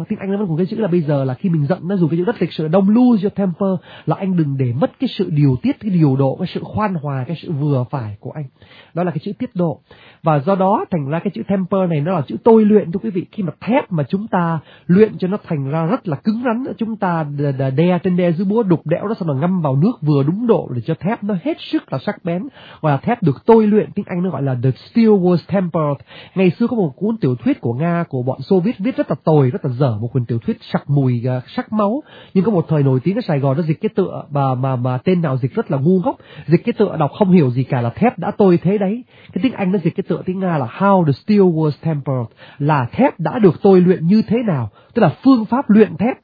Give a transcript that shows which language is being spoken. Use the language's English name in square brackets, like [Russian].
[Vietnamese] Tiếng Anh nó vẫn còn cái chữ là bây giờ là khi mình giận, nó dùng cái chữ rất lịch sự, [English] don't lose your temper, [Vietnamese] là anh đừng để mất cái sự điều tiết, cái điều độ, cái sự khoan hòa, cái sự vừa phải của anh. Đó là cái chữ tiết độ. Và do đó thành ra cái chữ temper này nó là chữ tôi luyện thưa quý vị. Khi mà thép mà chúng ta luyện cho nó thành ra rất là cứng rắn, chúng ta đe trên đe dưới búa đục đẽo đó, xong rồi ngâm vào nước vừa đúng độ để cho thép nó hết sức là sắc bén, gọi là thép được tôi luyện. Tiếng Anh nó gọi là [English] the steel was tempered. [Vietnamese] Ngày xưa có một cuốn tiểu thuyết của Nga của bọn Xô Viết viết rất là tồi, rất là dở, một cuốn tiểu thuyết sặc mùi sắc máu. Nhưng có một thời nổi tiếng ở Sài Gòn, nó dịch cái tựa mà tên nào dịch rất là ngu ngốc, dịch cái tựa đọc không hiểu gì cả là thép đã tôi thế đấy. Cái tiếng Anh nó dịch cái tựa tiếng Nga là [English] how the steel was tempered, [Vietnamese] là thép đã được tôi luyện như thế nào, tức là phương pháp luyện thép.